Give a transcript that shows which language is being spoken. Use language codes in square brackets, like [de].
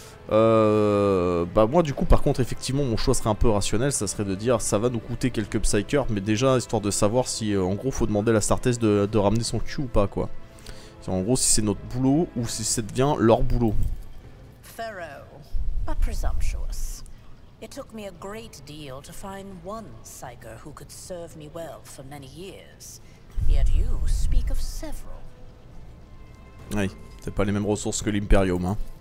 [fr] Bah moi du coup par contre effectivement mon choix serait un peu rationnel, ça serait de dire ça va nous coûter quelques psychers, mais déjà histoire de savoir si en gros faut demander à la Startess de ramener son cul ou pas quoi. En gros si c'est notre boulot ou si ça devient leur boulot. [en] Pharaoh, but presumptuous. It took me a great deal to find one psyker who could serve me well for many years. Yet you speak of several. [fr] Oui, c'est pas les mêmes ressources que l'Imperium hein.